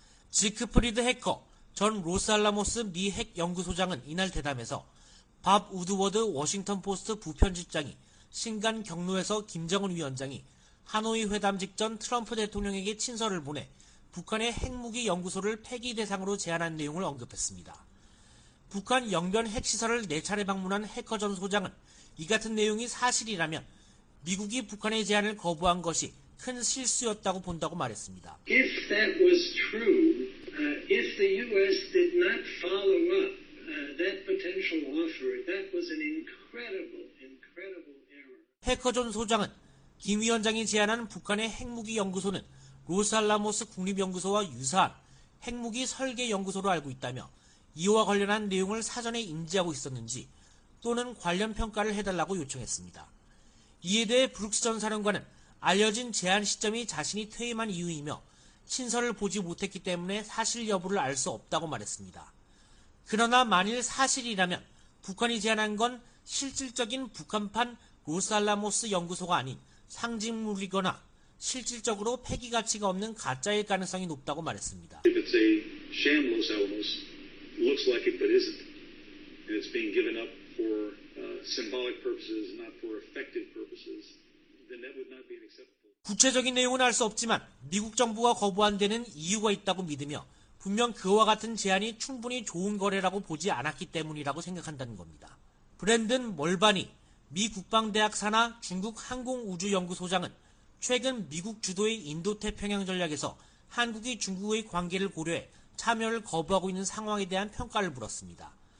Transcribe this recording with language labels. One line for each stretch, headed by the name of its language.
Korean: 지크프리드 해커 전 로스알라모스 미 핵연구소장은 이날 대담에서 밥 우드워드 워싱턴포스트 부편집장이 신간 경로에서 김정은 위원장이 하노이 회담 직전 트럼프 대통령에게 친서를 보내 북한의 핵무기 연구소를 폐기 대상으로 제안한 내용을 언급했습니다. 북한 영변 핵시설을 4차례 방문한 해커 전 소장은 이 같은 내용이 사실이라면 미국이 북한의 제안을 거부한 것이 큰 실수였다고 본다고 말했습니다.
English: If that was true, if the U.S. did not follow up that potential offer, that was an incredible error.
Korean: 해커 전 소장은 김 위원장이 제안한 북한의 핵무기 연구소는 로스알라모스 국립연구소와 유사한 핵무기 설계 연구소로 알고 있다며 이와 관련한 내용을 사전에 인지하고 있었는지 또는 관련 평가를 해달라고 요청했습니다. 이에 대해 브룩스 전 사령관은 알려진 제안 시점이 자신이 퇴임한 이후이며 친서를 보지 못했기 때문에 사실 여부를 알 수 없다고 말했습니다. 그러나 만일 사실이라면 북한이 제안한 건 실질적인 북한판 로스알라모스 연구소가 아닌 상징물이거나 실질적으로 폐기 가치가 없는 가짜일 가능성이 높다고 말했습니다.
English: If it's a sham Los Alamos, looks like it, but isn't. It's being given up for symbolic purposes, not for effective purposes. Then that would not be acceptable.
Korean: 구체적인 내용은 알 수 없지만 미국 정부가 거부한 데는 이유가 있다고 믿으며 분명 그와 같은 제안이 충분히 좋은 거래라고 보지 않았기 때문이라고 생각한다는 겁니다. 브랜든 멀바니 미 국방대학 산하 중국 항공우주연구소장은 최근 미국 주도의 인도태평양 전략에서 한국이 중국의 관계를 고려해 참여를 거부하고 있는 상황에 대한 평가를 물었습니다.